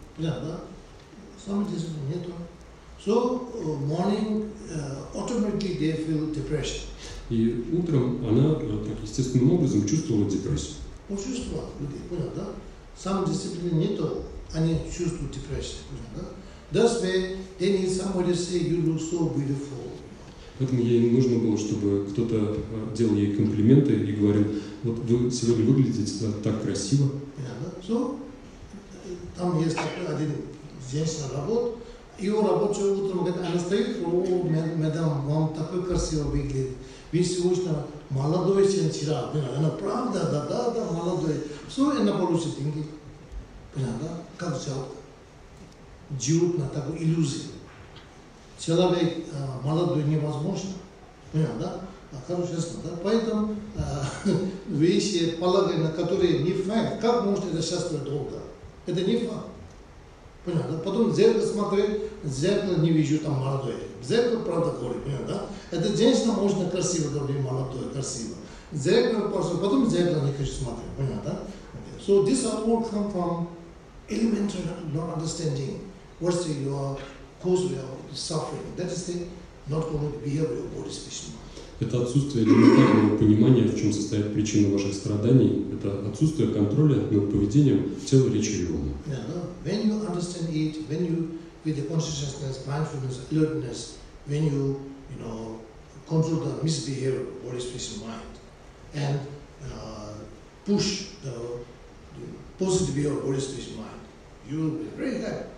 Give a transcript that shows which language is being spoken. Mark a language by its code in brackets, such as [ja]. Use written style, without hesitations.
[ru] Да, да. Самодисциплины нету. [en] So, morning, automatically they feel depression. [ru] И утром она так естественным образом чувствовала депрессию. Почувствовала, люди, понял, да? Самодисциплины нету, они чувствуют депрессию, понял, да? [en] That's why they need somebody to say you look so beautiful. [ru] Поэтому ей нужно было, чтобы кто-то делал ей комплименты и говорил, вот вы сегодня выглядите так красиво. Yeah, да? So, там есть такой один женщина работ, его рабочее утром говорит, она стоит, о, мадам, вам такой красиво выглядит. Вы сегодня молодой, чем вчера. Она правда, да, молодой. So, она получит деньги. Понятно, да? Как жалко. Живут на такой иллюзии. Человек молодой невозможно. Понятно, да? А хорошо, честно, да? Поэтому вещи, полагания, на которые не факт. Как можно это счастливать долго? Это не факт. Понятно, да? Потом зеркало смотрит, зеркало не вижу там молодой. Зеркало, правда, горит, понятно, да? Это женщина можно красиво, говорить, молодой, красиво. Зеркало просто, потом зеркало не хочу смотреть, понятно, да? [en] Okay. So this all come from elementary not understanding. What's the cause of your suffering? That is the not correct behavior of body, speech, mind. [ru] Это отсутствие элементарного понимания, в чем состоит причина ваших страданий. Это отсутствие контроля над поведением тела, речи и ума. [en] Yeah, no? When you understand it, when you with the consciousness, mindfulness, alertness, when you, you know, control the misbehavior of body, speech, mind, and push the positive your Holy Spirit's mind, you will be very happy.